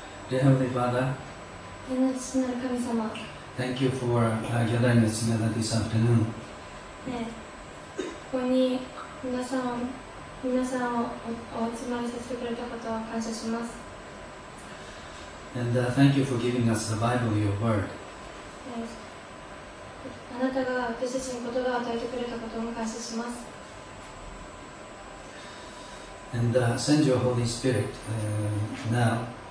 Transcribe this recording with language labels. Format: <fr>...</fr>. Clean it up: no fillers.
<en>Dear Heavenly Father,</en> <ja>天の父なる神様、</ja> <en>Thank you for gathering us together this afternoon.</en> <ja>ここに皆さんを お集まりさせてくれたことを感謝します。</ja> <en>And thank you for giving us the Bible, your word.</en> <ja>あなたが私たちに言葉を与えてくれたことも感謝します。</ja> <en>And send your Holy Spirit now.</en>